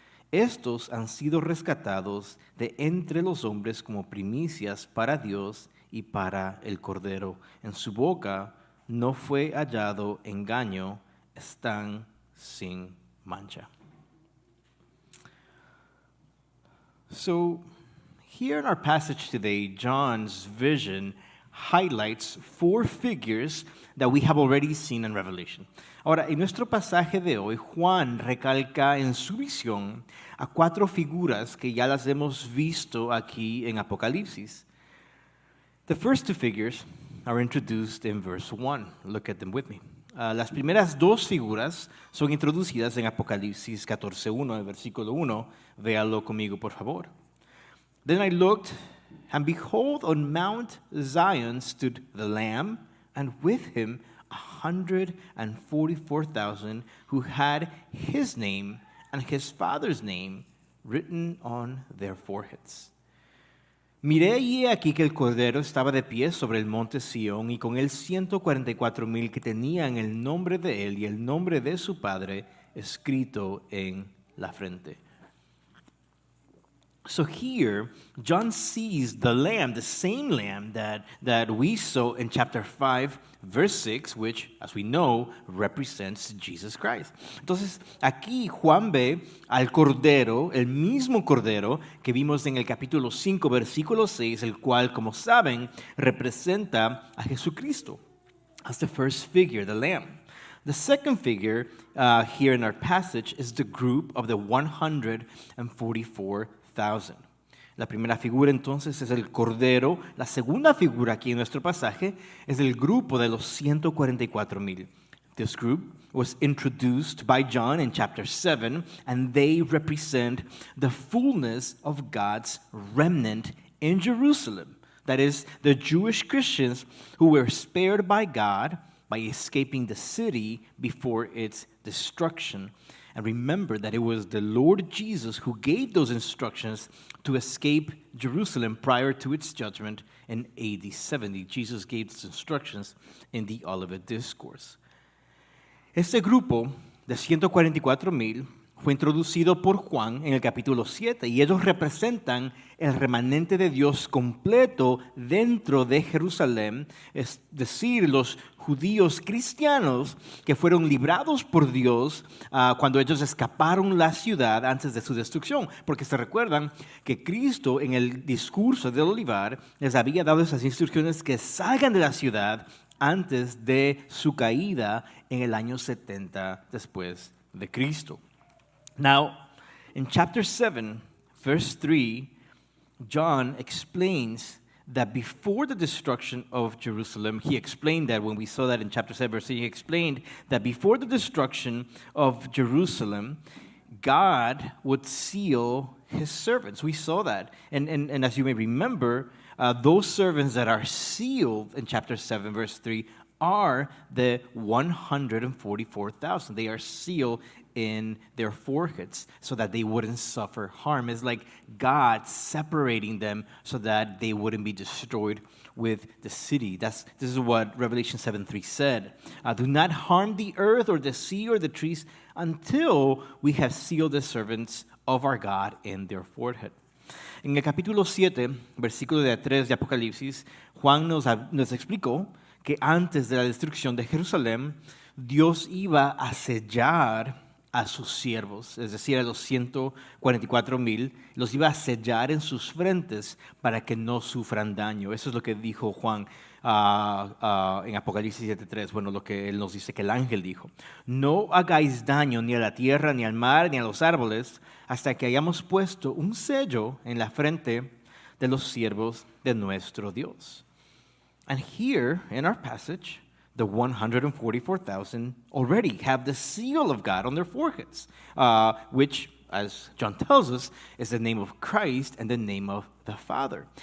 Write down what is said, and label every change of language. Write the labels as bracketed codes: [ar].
[es] Estos han sido rescatados de entre los hombres como primicias para Dios y para el Cordero. En su boca no fue hallado engaño, están sin mancha. [en] So, here in our passage today, John's vision highlights four figures that we have already seen in Revelation. [es] Ahora, en nuestro pasaje de hoy, Juan recalca en su visión a cuatro figuras que ya las hemos visto aquí en Apocalipsis. [en] The first two figures are introduced in verse 1. Look at them with me. [es] Las primeras dos figuras son introducidas en Apocalipsis 14:1, el versículo 1. Véalo conmigo, por favor. [en] Then I looked, and behold, on Mount Zion stood the Lamb, and with him 144,000 who had his name and his father's name written on their foreheads. [es] Miré y he aquí que el Cordero estaba de pie sobre el monte Sion y con él 144,000 que tenían el nombre de él y el nombre de su padre escrito en la frente. [en] So here, John sees the Lamb, the same Lamb that we saw in chapter 5, verse 6, which, as we know, represents Jesus Christ. [es] Entonces, aquí Juan ve al Cordero, el mismo Cordero que vimos en el capítulo 5, versículo 6, el cual, como saben, representa a Jesucristo. [en] That's the first figure, the Lamb. The second figure here in our passage is the group of the 144,000. [es] La primera figura entonces es el Cordero. La segunda figura aquí en nuestro pasaje es el grupo de los 144,000. [en] This group was introduced by John in chapter 7, and they represent the fullness of God's remnant in Jerusalem. That is, the Jewish Christians who were spared by God by escaping the city before its destruction. And remember that it was the Lord Jesus who gave those instructions to escape Jerusalem prior to its judgment in AD 70. Jesus gave those instructions in the Olivet Discourse. [es] Este grupo de 144,000 fue introducido por Juan en el capítulo 7 y ellos representan el remanente de Dios completo dentro de Jerusalén, es decir, los judíos cristianos que fueron librados por Dios cuando ellos escaparon la ciudad antes de su destrucción. Porque se recuerdan que Cristo en el discurso del Olivar les había dado esas instrucciones que salgan de la ciudad antes de su caída en el año 70 después de Cristo. [en] Now, in chapter 7, verse 3, John explains that before the destruction of Jerusalem, he explained that when we saw that in chapter 7, verse 3, he explained that before the destruction of Jerusalem, God would seal his servants. We saw that. And as you may remember, those servants that are sealed in chapter 7, verse 3, are the 144,000. They are sealed in their foreheads so that they wouldn't suffer harm. It's like God separating them so that they wouldn't be destroyed with the city. This is what Revelation 7:3 said. Do not harm the earth or the sea or the trees until we have sealed the servants of our God in their forehead. [es] En el capítulo 7, versículo de 3 de Apocalipsis, Juan nos explicó que antes de la destrucción de Jerusalén, Dios iba a sellar a sus siervos, es decir, a los 144,000, los iba a sellar en sus frentes para que no sufran daño. Eso es lo que dijo Juan en Apocalipsis 7:3, bueno, lo que él nos dice que el ángel dijo. No hagáis daño ni a la tierra, ni al mar, ni a los árboles, hasta que hayamos puesto un sello en la frente de los siervos de nuestro Dios. [en] And here, in our passage, the 144,000 already have the seal of God on their foreheads, which, as John tells us, is the name of Christ and the name of the Father.